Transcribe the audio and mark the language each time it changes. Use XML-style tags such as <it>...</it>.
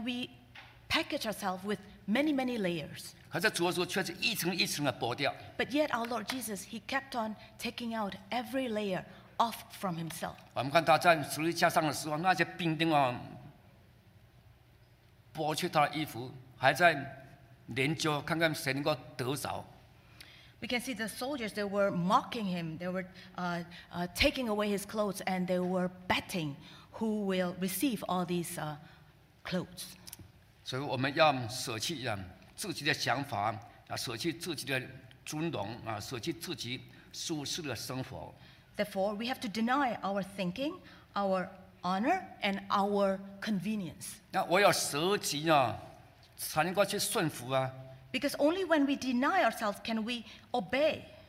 <en>we package ourselves with many layers.</en> <zh>可是主耶稣却是一层一层的剥掉。</zh> <en>But yet our Lord Jesus, he kept on taking out every layer off from himself.</en> <zh>我们看他在十字架上的时候，那些兵丁啊，剥去他的衣服，还在。</zh> <en>We can see the soldiers, they were mocking him, they were taking away his clothes, and they were betting who will receive all these clothes. Therefore, we have to deny our thinking, our honor, and our convenience.</en> <zh>那我要舍己啊, 才能够去顺服啊,</zh> <en>because only when we deny ourselves can we obey.</en>